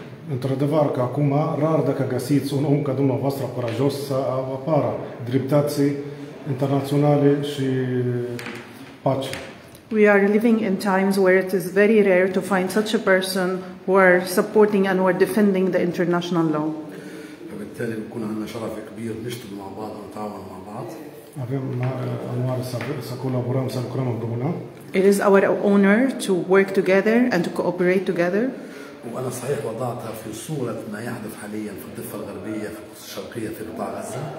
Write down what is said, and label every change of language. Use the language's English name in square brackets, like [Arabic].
[Romanian] Entre adevăr că acum rar dacă găsiți un om ca dumneavoastră curajos să apară dreptății internaționale și pace. [English] We are living in times where it is very rare to find such a person who are supporting and who are defending the international law. [Arabic] بالتالي بكون عندنا شرف كبير نشتغل مع بعض ونتعاون مع بعض. [Romanian] Avem mare onoare să colaborăm, să lucrăm împreună. [English] It is our honor to work together and to cooperate together. [Arabic] وأنا صحيح وضعتها في صورة ما يحدث حاليا في الضفة الغربية في القدس الشرقية في قطاع غزة.